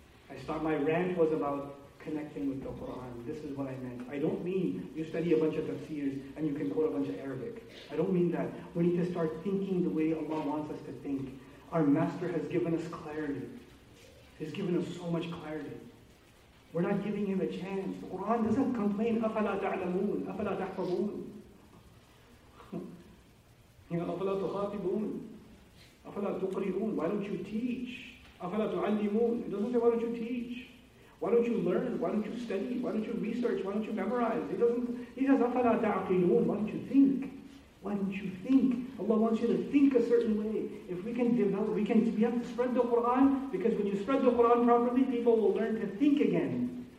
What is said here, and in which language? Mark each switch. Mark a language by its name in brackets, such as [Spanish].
[English] I thought my rant was about connecting with the Quran. This is what I meant. I don't mean you study a bunch of tafsirs and you can quote a bunch of Arabic. I don't mean that. We need to start thinking the way Allah wants us to think. Our Master has given us clarity. He's given us so much clarity. We're not giving Him a chance. The Quran doesn't complain, [Arabic] أَفَلَا تَعْلَمُونَ أَفَلَا تَحْفَظُونَ أَفَلَا تُخَاطِبُونَ أَفَلَا تُقْرِئُونَ. [English] Why don't you teach? [Arabic] أَفَلَا تُعَلِّمُونَ. [English] It doesn't say, why don't you teach? Why don't you learn? Why don't you study? Why don't you research? Why don't you memorize? He says, [Arabic] أَفَلَا تَعْقِلُونَ. [English] Why don't you think? Why don't you think? Allah wants you to think a certain way. If we can develop, we have to spread the Quran, because when you spread the Quran properly, people will learn to think again.